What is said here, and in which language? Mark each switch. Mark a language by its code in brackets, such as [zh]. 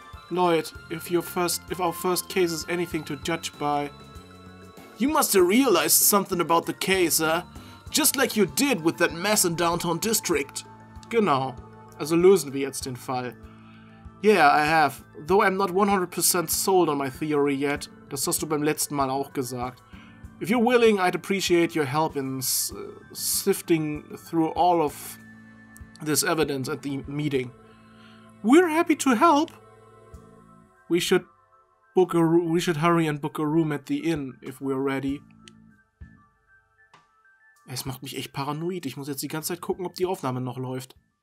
[en] Lloyd, if our first case is anything to judge by... You must have realized something about the case, eh? Just like you did with that mess in downtown district. [de] Genau. Also lösen wir jetzt den Fall. [en] Yeah, I have. Though I'm not 100% sold on my theory yet. [de] Das hast du beim letzten Mal auch gesagt. [en] If you're willing, I'd appreciate your help in sifting through all of this evidence at the meeting. We're happy to help. We should hurry and book a room at the inn if we're ready. [de] Es macht mich echt paranoid. Ich muss jetzt die ganze Zeit gucken, ob die Aufnahme noch läuft.